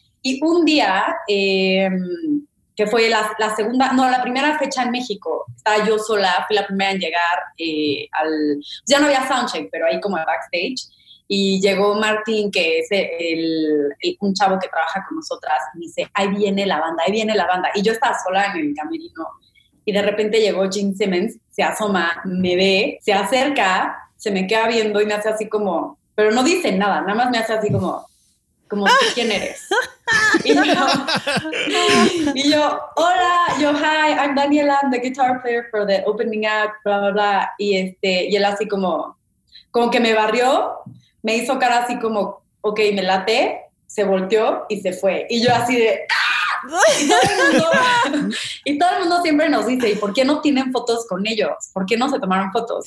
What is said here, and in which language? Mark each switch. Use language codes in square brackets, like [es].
[es] Y un día, que fue la primera fecha en México, estaba yo sola, fui la primera en llegar ya no había soundcheck, pero ahí como backstage, y llegó Martín, que es un chavo que trabaja con nosotras, y me dice, ahí viene la banda, y yo estaba sola en el camerino, y de repente llegó Gene Simmons, se asoma, me ve, se acerca, se me queda viendo y me hace así como, pero no dice nada, nada más me hace así como, ¿quién eres? Y yo, hola, yo, [en] hi, I'm Daniela, I'm the guitar player for the opening act, bla, bla, bla. [es] Y él así como que me barrió, me hizo cara así como, ok, me late, se volteó y se fue. Y yo así de, ¡ah! Y todo el mundo siempre nos dice, ¿y por qué no tienen fotos con ellos? ¿Por qué no se tomaron fotos?